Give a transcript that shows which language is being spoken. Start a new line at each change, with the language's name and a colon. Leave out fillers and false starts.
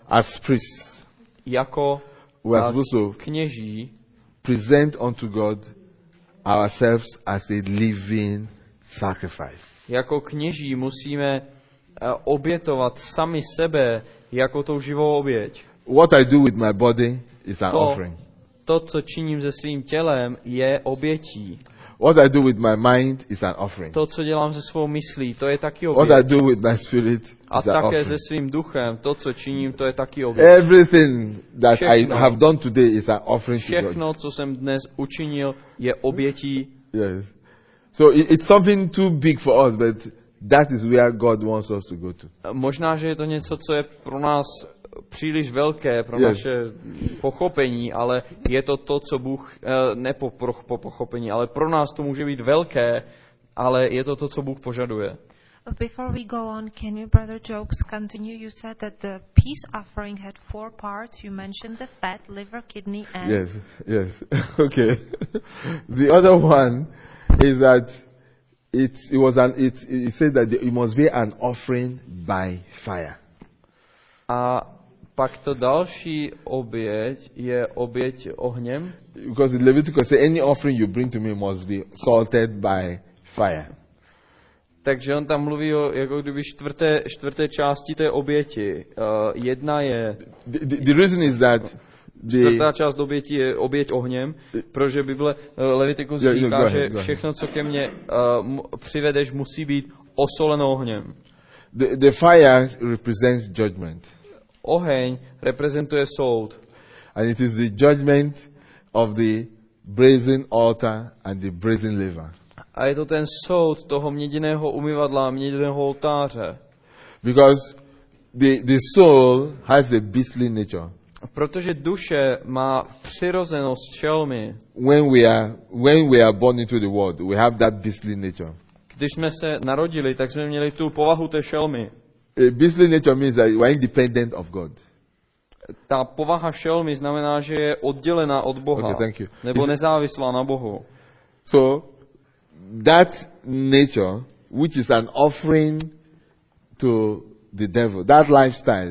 English: As priests.
Czech: Jako kněží.
English: Present unto God ourselves as a living sacrifice.
Czech: Jako kněží musíme obětovat sami sebe jako tou živou oběť.
English: What I do with my body is an offering.
Czech: To, co činím se svým tělem, je obětí.
English: What I do with my mind is an offering.
Czech: To, co dělám se svou myslí, to je taky obět.
English: What I do with my spirit is an offering.
Czech: A také se svým duchem, to, co činím, to je taky obět.
English: Everything that I have done today is an offering to God.
Czech: Všechno, co jsem dnes učinil, je obětí.
English: Yes. So it's something too big for us, but that is where God wants us to go to.
Czech: Možná, že je to něco, co je pro nás příliš velké pro
English: yes.
Czech: naše pochopení, ale je to, co Bůh po pochopení, ale pro nás to může být velké, ale je to, co Bůh požaduje.
English: Before we go on, can you, brother Jokes, continue? You said that the peace offering had four parts. You mentioned the fat, liver, kidney, and yes, yes, okay. The other one is that it said that it must be an offering by fire.
Czech: A pak to další oběť je oběť ohněm.
English: Because the Leviticus says any offering you bring to me must be salted by fire.
Czech: Takže on tam mluví o jako kdyby čtvrté části té oběti. Jedna je
English: the reason is that
Czech: čtvrtá část oběti je oběť ohněm, protože Bible Levitikus říká, že všechno, co ke mně přivedeš, musí být osoleno ohněm.
English: The fire represents judgment.
Czech: Oheň reprezentuje soud.
English: And it is the judgment of the brazen altar and the brazen laver.
Czech: A je to ten soud toho měděného umyvadla, měděného oltáře.
English: Because the soul has a beastly nature.
Czech: Protože duše má přirozenost čelmy.
English: When we are born into the world, we have that beastly nature.
Czech: Když jsme se narodili, tak jsme měli tu povahu té šelmy.
English: A beastly nature means that we are independent of God.
Czech: Ta povaha šelmy znamená, že je oddělená od Boha.
English: Okay, thank you.
Czech: Nebo nezávislá na Bohu.
English: So that nature, which is an offering to the devil, that lifestyle.